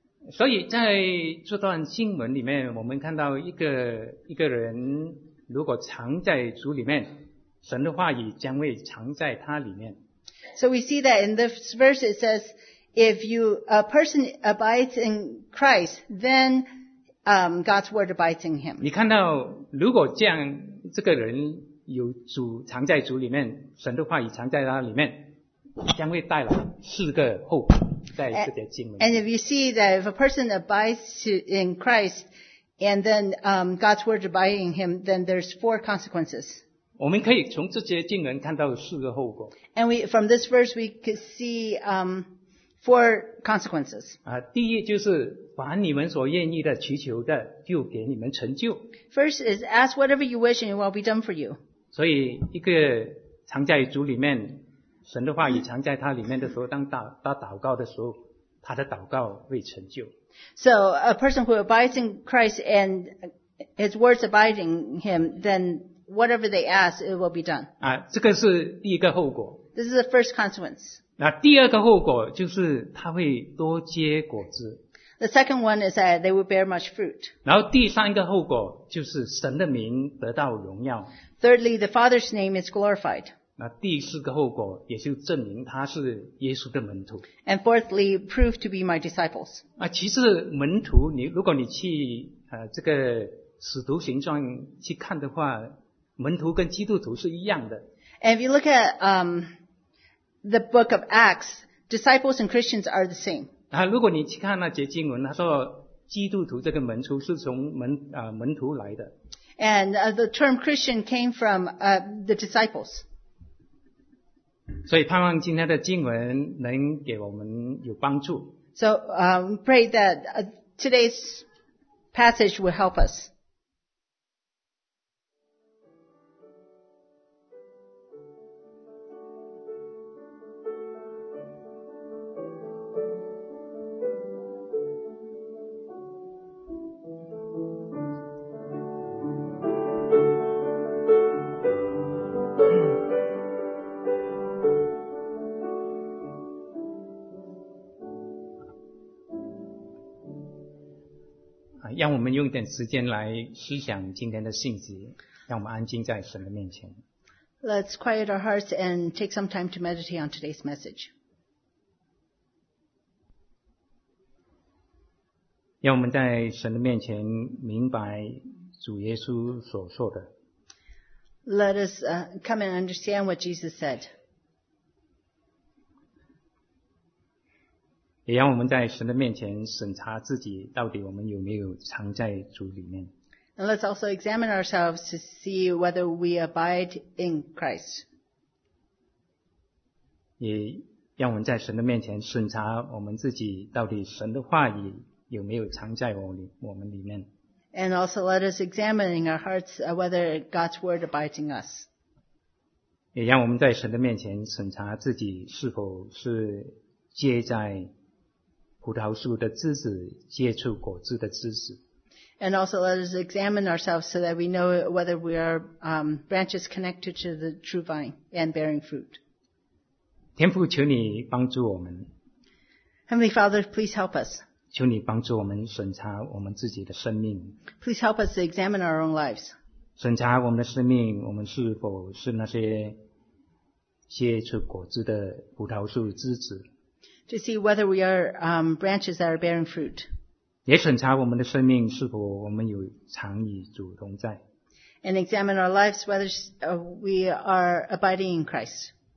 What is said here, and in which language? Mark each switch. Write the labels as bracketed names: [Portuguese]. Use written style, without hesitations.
[Chinese] 所以在这段经文里面，我们看到一个人如果藏在主里面，神的话语将会藏在他里面。 [English] So we see that in this verse it says, if you, a person abides in Christ, then God's word abides in him. [Chinese] 你看到如果这样这个人有主藏在主里面，神的话语藏在他里面，将会带来四个后果在这些经文。 [English] And if you see that if a person abides in Christ and then God's word abides in him, then there's four consequences. [Chinese] 我们可以从这些经文看到四个后果。 [English] And we, from this verse we could see four consequences. [Chinese] 第一就是凡你们所愿意的祈求的就给你们成就。 [English] First is ask whatever you wish and it will be done for you. [Chinese] 所以一个藏在主里面，神的话语藏在他里面的时候，当他祷告的时候，他的祷告会成就。 [English] So a person who abides in Christ and his words abide in him, then whatever they ask, it will be done. [Chinese] 这个是第一个后果。 [English] This is the first consequence. [Chinese] 那第二个后果就是他会多结果子。 [English] The second one is that they will bear much fruit. [Chinese] 然后第三个后果就是神的名得到荣耀。 [English] Thirdly, the Father's name is glorified. [Chinese] 那第四个后果也就证明他是耶稣的门徒。 [English] And fourthly, prove to be my disciples. [Chinese] 其实门徒你如果你去这个使徒行传去看的话，门徒跟基督徒是一样的。 [English] And if you look at, the book of Acts, disciples and Christians are the same. [Chinese] 如果你去看那节经文，他说基督徒这个门徒是从门徒来的。 [English] And the term Christian came from the disciples. [Chinese] 所以盼望今天的经文能给我们有帮助。 [English] So, pray that today's passage will help us. [Chinese] 让我们用一点时间来思想今天的信息，让我们安静在神的面前。 [English] Let's quiet our hearts and take some time to meditate on today's message. [Chinese] 让我们在神的面前明白主耶稣所说的。 [English] Let us come and understand what Jesus said. [Chinese] 也让我们在神的面前审查自己，到底我们有没有藏在主里面。 [English] And let's also examine ourselves to see whether we abide in Christ. [Chinese] 也让我们在神的面前审查我们自己，到底神的话语有没有藏在我们里面。 [English] And also let us examine in our hearts whether God's word abides in us. [Chinese] 也让我们在神的面前审查自己是否是结在葡萄树的枝子，结出果子的枝子。 [English] And also let us examine ourselves so that we know whether we are branches connected to the true vine and bearing fruit. [Chinese] 天父，求你帮助我们。 [English] Heavenly Father, please help us. [Chinese] 求你帮助我们审查我们自己的生命。 [English] Please help us to examine our own lives. [Chinese] 审查我们的生命，我们是否是那些结出果子的葡萄树枝子。 [English] To see whether we are branches that are bearing fruit. [Chinese] 也审查我们的生命是否我们有常与主同在。 [English] And examine our lives whether we are abiding in Christ.